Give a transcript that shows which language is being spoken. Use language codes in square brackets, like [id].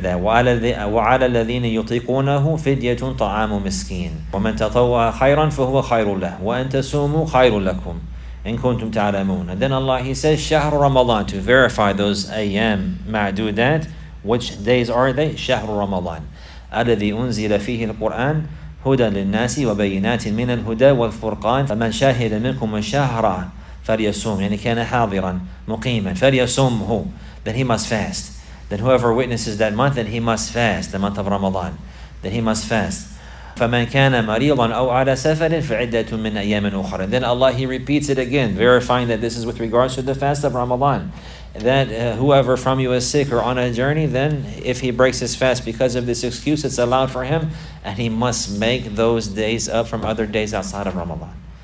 [ar] وَعَلَى الَّذِينَ يُطِيقُونَهُ فِدْيَةٌ طَعَامُ مِسْكِينَ وَمَنْ تَطَوَّى خَيْرًا فَهُوَ خَيْرٌ لَهُ وَأَنْ تَسُومُوا خَيْرٌ لَكُمْ إِن كُنْتُمْ تَعْلَمُونَ. [en] Then Allah, He says, [ar] شَهْرُ رَمَضَانَ, [en] to verify those [ar] أَيَّام مَعْدُودَات. [en] Which days are they? [ar] شهر رمضان الذي أنزل فيه القرآن هدى للناس وبينات من الهدى والفرقان فمن شاهد منكم الشهر فليصوم يعني كان حاضرا مقيما فليصومه. [en] Then he must fast. Then whoever witnesses that month, then he must fast. The month of Ramadan. Then he must fast. [ar] فمن كان مريضا أو على سفر فعدة من أيام أخرى. [en] Then Allah, He repeats it again, verifying that this is with regards to the fast of Ramadan. That whoever from you is sick or on a journey, then if he breaks his fast because of this excuse, it's allowed for him, and he must make those days up from other days outside of Ramadan.